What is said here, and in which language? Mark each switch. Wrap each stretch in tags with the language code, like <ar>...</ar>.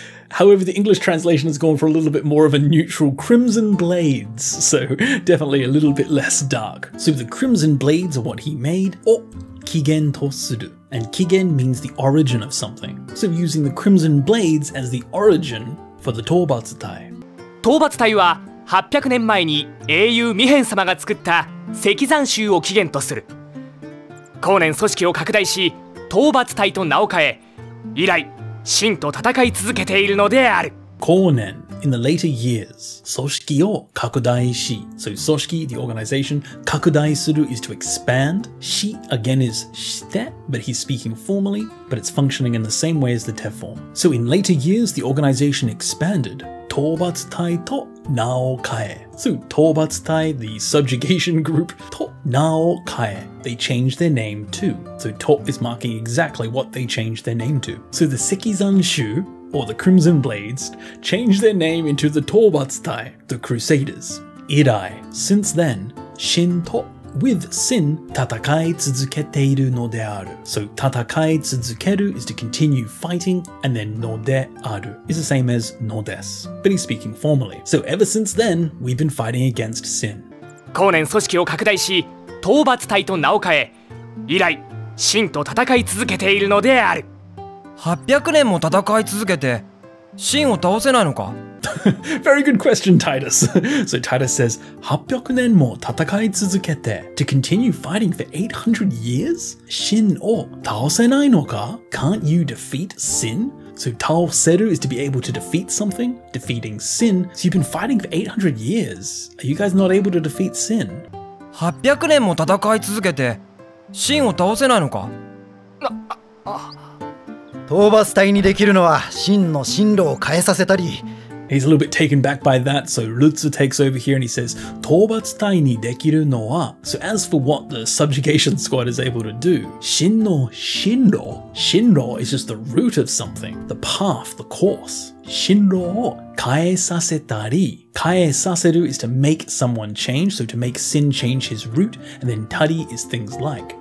<en>However, the English translation has gone for a little bit more of a neutral crimson blades. So definitely a little bit less dark. So the crimson blades are what he made.</en> <ja>Or, 起源とする.</ja> <en>And 起源 means the origin of something. So using the crimson blades as the origin for the 討伐隊.</en> <ja>討伐隊は800年前に英雄ミヘン様が作った石山宗を起源とする。後年組織を拡大し、討伐隊と名を変え、以来、神と戦い続けているのである。</ja> <en>後年 in the later years,</en> <ja>組織を拡大し。</ja> <en>So, 組織 the organization, 拡大する is to expand. し again is して, but he's speaking formally, but it's functioning in the same way as the te form. So, in later years, the organization expanded.</en> <ja>討伐隊と名を変え。</ja> <en>So, 討伐隊 the subjugation group,</en> <ja>と名を変え。</ja> <en>They changed their name too. So, to is marking exactly what they changed their name to. So, the 石山宗, or the Crimson Blades, changed their name into the 討伐隊, the Crusaders.</en> <ja>以来,</ja> <en>since then,</en> <ja>神と</ja> <en>with sin,</en> <ja>戦い続けているのである。</ja> <en>So, 戦い続ける is to continue fighting, and then のである is the same as のです。But he's speaking formally. So, ever since then, we've been fighting against sin.</en> <ja>後年組織を拡大し、討伐隊と名を変え、以来、神と戦い続けているのである。 800年も戦い続けて、神を倒せないのか?</ja> <en>Very good question, Titus. So Titus says,</en> <ja>800年も戦い続けて</ja> <en>to continue fighting for 800 years?</en> <ja>神を倒せないのか?</ja> <en>Can't you defeat sin? So, 倒せる is to be able to defeat something, defeating sin. So, you've been fighting for 800 years. Are you guys not able to defeat sin?</en> <ja>800年も戦い続けて、神を倒せないのか? 討伐隊にできるのは、神の進路を変えさせたり。</ja> <en>He's a little bit taken back by that, so Lutzer takes over here and he says,</en> <ja>討伐隊にできるのは</ja> <en>So as for what the subjugation squad is able to do, 神の進路 進路 is just the root of something, the path, the course. 進路を変えさせたり変えさせる is to make someone change, so to make sin change his route, and then tari is things like.</en>